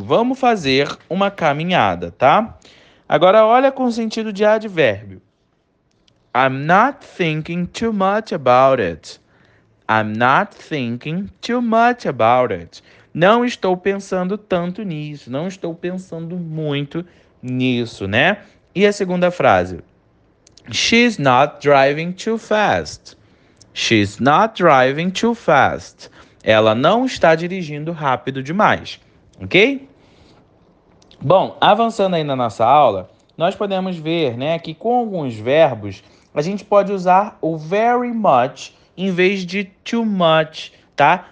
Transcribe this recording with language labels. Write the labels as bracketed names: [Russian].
[Portuguese] Vamos fazer uma caminhada, tá? Agora olha com sentido de advérbio. [English] I'm not thinking too much about it. I'm not thinking too much about it. [Portuguese] Não estou pensando tanto nisso. Não estou pensando muito nisso, né? E a segunda frase? [English] She's not driving too fast. She's not driving too fast. [Portuguese] Ela não está dirigindo rápido demais, ok? Bom, avançando aí na nossa aula, nós podemos ver, né, que com alguns verbos, a gente pode usar o very much em vez de too much, tá?